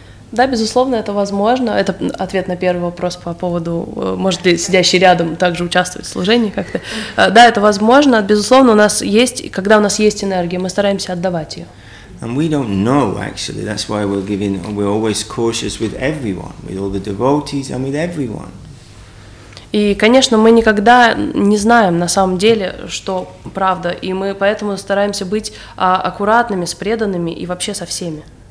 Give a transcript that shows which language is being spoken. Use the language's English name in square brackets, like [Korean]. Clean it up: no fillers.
[Russian] Да, безусловно, это возможно. Это ответ на первый вопрос по поводу, может ли сидящий рядом также участвовать в служении как-то. Да, это возможно. Безусловно, у нас есть, когда у нас есть энергия, мы стараемся отдавать ее. [English] And we don't know, actually. That's why we're giving, we're always cautious with everyone, with all the devotees and with everyone. [Russian] И, конечно, мы никогда не знаем на самом деле, что правда, и мы поэтому стараемся быть аккуратными с преданными и вообще со всеми.